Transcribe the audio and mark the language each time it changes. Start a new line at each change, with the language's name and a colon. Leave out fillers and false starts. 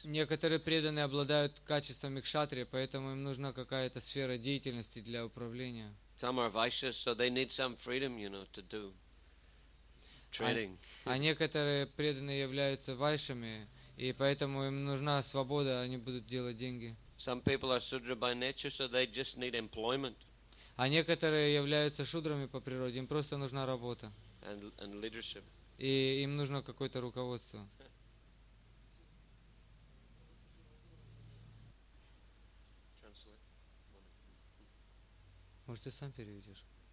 Russian: Некоторые преданные обладают качествами кшатрия, поэтому им нужна какая-то сфера деятельности для управления.
English: Some are vicious, so they need some freedom, you know, to do training.
Russian: А некоторые преданные являются вайшами, и поэтому им нужна свобода, они будут делать деньги.
English: Some people are sudra by nature, so they just need employment.
Russian: А некоторые являются шудрами по природе, им просто нужна работа.
English: And leadership.
Russian: И им нужно какое-то руководство. Может, ты сам переведешь?